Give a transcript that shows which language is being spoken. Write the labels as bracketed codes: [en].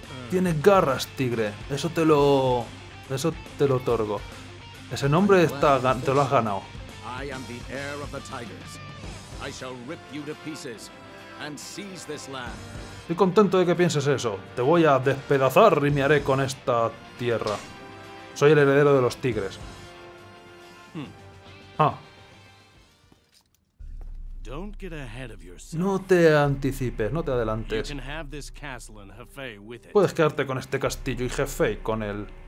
[es] Tienes garras, tigre. Eso te lo otorgo. Ese nombre está, te lo has ganado. [en] I am the heir of the tigers. I shall rip you to pieces and seize this land. [es] Estoy contento de que pienses eso. Te voy a despedazar y me haré con esta tierra. Soy el heredero de los tigres. [en] Don't get ahead of yourself. [es] No te anticipes, no te adelantes. [en] You can have this castle and Hefei with it. [es] Puedes quedarte con este castillo y Hefei con él.